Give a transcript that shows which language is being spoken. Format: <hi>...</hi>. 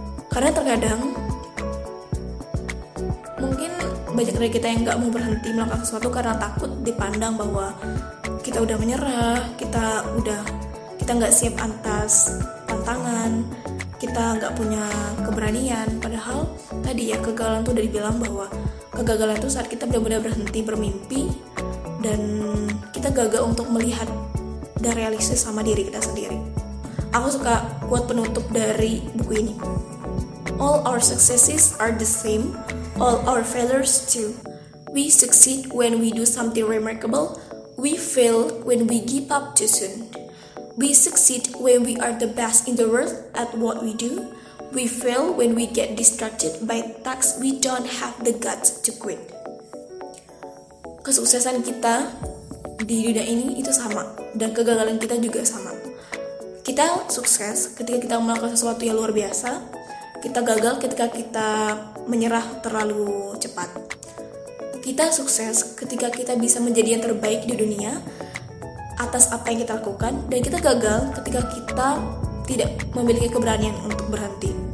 <id>Karena terkadang mungkin banyak dari kita yang gak mau berhenti melakukan sesuatu karena takut dipandang bahwa kita udah menyerah, kita gak siap atas tantangan, kita gak punya keberanian. Padahal tadi ya, kegagalan tuh udah dibilang bahwa kegagalan itu saat kita benar-benar berhenti bermimpi dan kita gagal untuk melihat dan realistis sama diri kita sendiri. Aku suka quote penutup dari buku ini.</id> <en>All our successes are the same, all our failures too. We succeed when we do something remarkable, we fail when we give up too soon. We succeed when we are the best in the world at what we do, we fail when we get distracted by tasks we don't have the guts to quit.</en> <id>Kesuksesan kita di dunia ini itu sama, dan kegagalan kita juga sama. Kita sukses ketika kita melakukan sesuatu yang luar biasa, kita gagal ketika kita menyerah terlalu cepat. Kita sukses ketika kita bisa menjadi yang terbaik di dunia atas apa yang kita lakukan, dan kita gagal ketika kita tidak memiliki keberanian untuk berhenti.</id>